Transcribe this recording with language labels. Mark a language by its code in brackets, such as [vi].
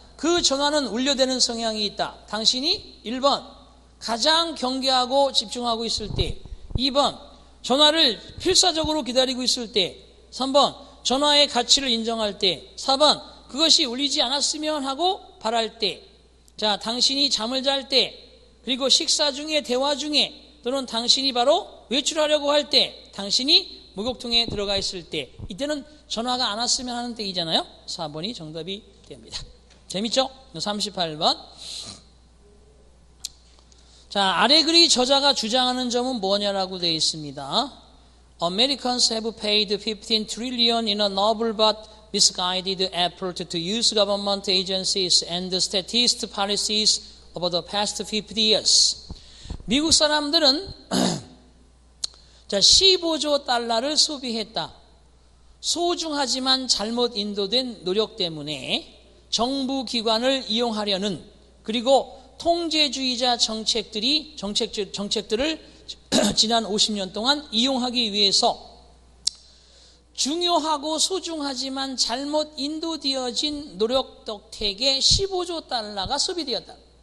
[ko] 그 전화는 울려대는 성향이 있다. 당신이 1번 가장 경계하고 집중하고 있을 때, 2번 전화를 필사적으로 기다리고 있을 때, 3번 전화의 가치를 인정할 때, 4번 그것이 울리지 않았으면 하고 바랄 때, 자 당신이 잠을 잘 때, 그리고 식사 중에 대화 중에 또는 당신이 바로 외출하려고 할 때, 당신이 목욕통에 들어가 있을 때, 이때는 전화가 안 왔으면 하는 때이잖아요. 4번이 정답이 됩니다. 재밌죠? 38번. 자, 아래 글이 저자가 주장하는 점은 뭐냐라고 되어 있습니다. [en] Americans have paid $15 trillion in a novel but misguided effort to use government agencies and statist policies over the past 50 years. [ko] 미국 사람들은 자, 15조 달러를 소비했다. 소중하지만 잘못 인도된 노력 때문에 정부 기관을 이용하려는 그리고 통제주의자 정책들을 지난 50년 동안 이용하기 위해서 중요하고 소중하지만 잘못 인도되어진 노력 덕택에 15조 달러가 소비되었다.